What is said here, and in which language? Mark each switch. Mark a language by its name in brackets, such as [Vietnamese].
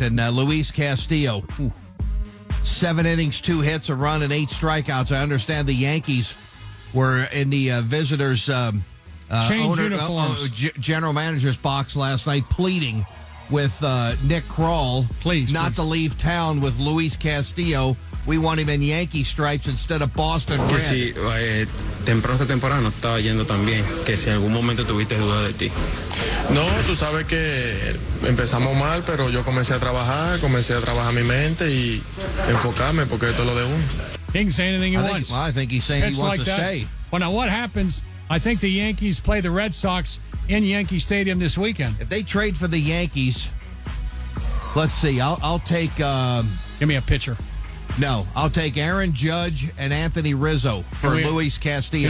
[English] And Luis Castillo, seven innings, two hits, a run, and eight strikeouts. I understand the Yankees were in the visitors' general manager's box last night pleading with Nick Kroll to leave town with Luis Castillo. We want him in Yankee stripes instead of Boston red. [Spanish] Si, temprano esta temporada no estaba yendo tan bien. Que si en algún momento tuviste dudas de ti. No, tú sabes que empezamos mal, pero yo comencé a trabajar mi mente y enfocarme porque esto es lo de uno. [English] He can say anything he wants. Well, I think he's saying it's he wants like to that. Stay. Well, now what happens? I think the Yankees play the Red Sox in Yankee Stadium this weekend. If they trade for the Yankees, let's see. I'll take. Give me a pitcher. No, I'll take Aaron Judge and Anthony Rizzo for Luis Castillo.